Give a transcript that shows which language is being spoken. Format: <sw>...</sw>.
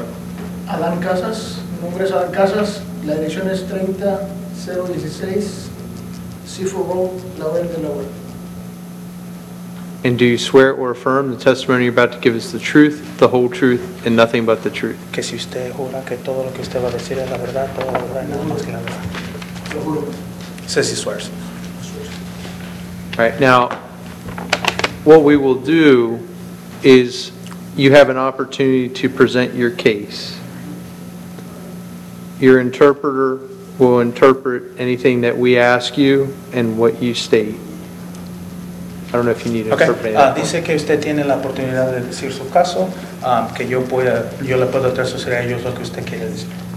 <es>record. Alan Casas. Mi nombre es Alan Casas. La dirección es 30016 Seaford Road, Laurel, Delaware.</es> <en>And do you swear or affirm the testimony you're about to give is the truth, the whole truth, and nothing but the truth?</en> <es>Que si usted jura que todo lo que usted va a decir es la verdad, todo lo verdad, nada más que la verdad. Yo juro.</es> <en>Says he swears. All right, now, what we will do is you have an opportunity to present your case. Your interpreter will interpret anything that we ask you and what you state. I don't know if you need to interpret anything.</en> <es>Okay, dice que usted tiene la oportunidad de decir su caso, que yo le puedo traducir a ellos lo que usted quiere decir.</es>